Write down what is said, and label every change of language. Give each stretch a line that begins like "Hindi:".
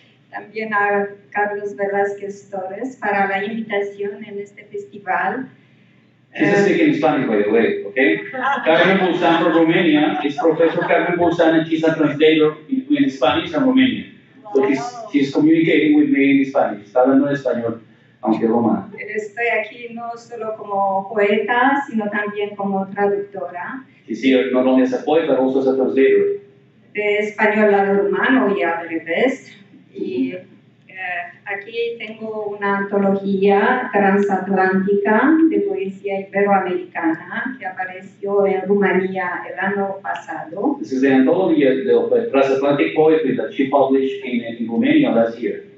Spanish: También a Carlos Velázquez Torres para la invitación en este festival.
English: This is speaking in Spanish, by the way, okay? Carmen Bulzan from Romania is Professor Carmen Bulzan, and she's a translator in Spanish and Romanian. So wow. She's communicating with me in Spanish.
Spanish: Está hablando en español. Aunque Roma. Estoy aquí no solo como poeta, sino también como traductora. Y sí, no solo es poeta, sino también es traductora. De español al rumano y al revés. Y aquí tengo una antología transatlántica de poesía iberoamericana que apareció en Rumanía el año pasado.
English: This is the anthology of the transatlantic poetry that she published in Romania last year.